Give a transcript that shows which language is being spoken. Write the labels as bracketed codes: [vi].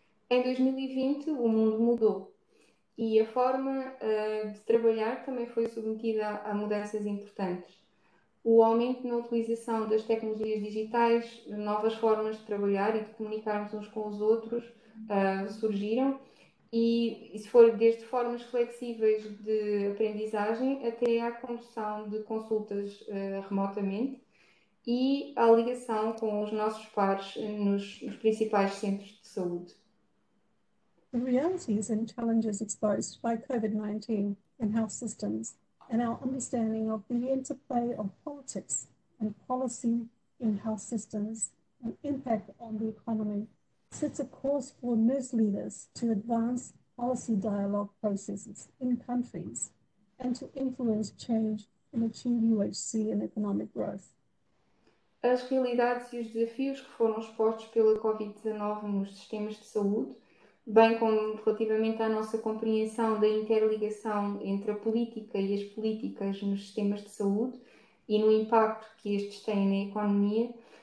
[pt] Em 2020, o mundo mudou e a forma de trabalhar também foi submetida a mudanças importantes. O aumento na utilização das tecnologias digitais, novas formas de trabalhar e de comunicarmos uns com os outros surgiram, e isso foi desde formas flexíveis de aprendizagem até à condução de consultas remotamente e à ligação com os nossos pares nos principais centros de saúde. [en] The realities and challenges exposed by COVID-19 in health systems and our understanding of the interplay of politics and policy in health systems and impact on the economy sets a course for nurse leaders to advance policy dialogue processes in countries and to influence change and achieve UHC and economic growth. [pt] As realidades e os desafios que foram expostos pela COVID-19 nos sistemas de saúde, bem como relativamente à nossa compreensão da interligação entre a política e as políticas nos sistemas de saúde e no impacto que estes têm na economia,